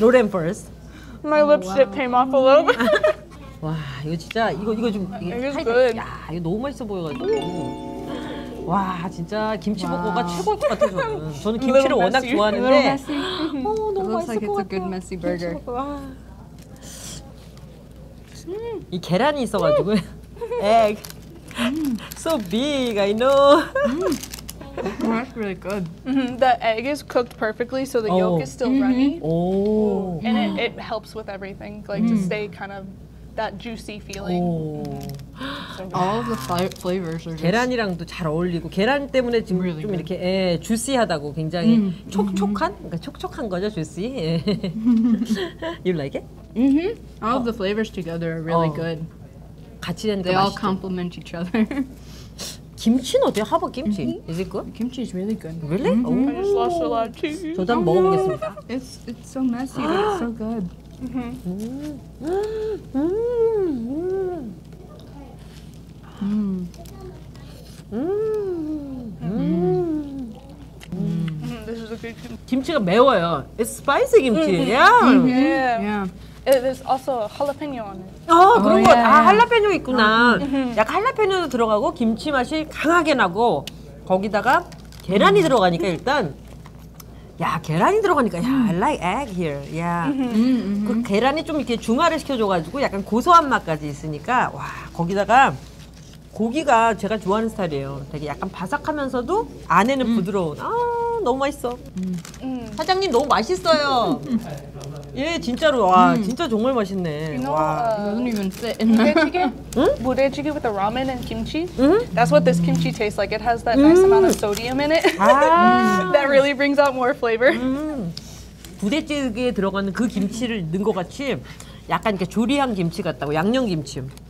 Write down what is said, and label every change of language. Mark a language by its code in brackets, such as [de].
[en] Roll it first. My lipstick came off a little bit. [ko] Wow, 이거 진짜 이거 좀 이게 good. 야, 이거 너무 맛있어 보여가지고. 와, 진짜 김치 먹고가 wow. 최고일 것 같아요. 저는 김치를 워낙 좋아하는데. 오, 너무 맛있을 것 같아. [en] It looks like it's a good messy burger. [ko] 이 계란이 있어가지고 [en] egg so big I know mm. that's really good mm-hmm. the egg is cooked perfectly so the yolk is still runny oh. and it helps with everything like to stay kind of that juicy feeling oh. so all of the flavors are [ko] 계란이랑도 잘 어울리고 계란 때문에 지금 really 좀 good. 이렇게 에 주시하다고 굉장히 촉촉한 그러니까 촉촉한 거죠 주시 [en] you like it? Mm-hmm. All of the flavors together are really good. [ko] 같이 된다. [en] They all complement each other. [ko] 김치는 어때요? [en] How about kimchi? Mm-hmm. Is it good? The kimchi is really good. Really? Mm-hmm. I just lost a lot of cheese. [ko] 저도 한번 먹어보겠습니다. [en] It's so messy, but it's so good. This is a good kimchi. [ko] 김치가 매워요. [en] It's spicy kimchi. [ko] Mm-hmm. Yeah. [en] Mm-hmm. Yeah. Yeah. There's also jalapeno on it. [ko] 아 그런 거. 아 할라페뇨 있구나. 약간 할라페뇨도 들어가고 김치 맛이 강하게 나고 거기다가 계란이 들어가니까 일단 야 계란이 들어가니까 야 [en] I like egg here. [ko] 야 그 계란이 좀 이렇게 중화를 시켜줘가지고 약간 고소한 맛까지 있으니까 와 거기다가 고기가 제가 좋아하는 스타일이에요. 되게 약간 바삭하면서도 안에는 부드러운. 아 너무 맛있어. 사장님 너무 맛있어요. 예, 진짜로 와, 진짜 정말 맛있네. [en] You know, 와, doesn't even fit. [ko] 무대찌개? [en] 무대찌개 with the ramen and kimchi. That's what this kimchi tastes like. It has that nice amount of sodium in it. 아~ that really brings out more flavor. [ko] 무대찌개에 들어가는 그 김치를 넣은 것 같이 약간 이렇게 조리한 김치 같다고 양념 김치.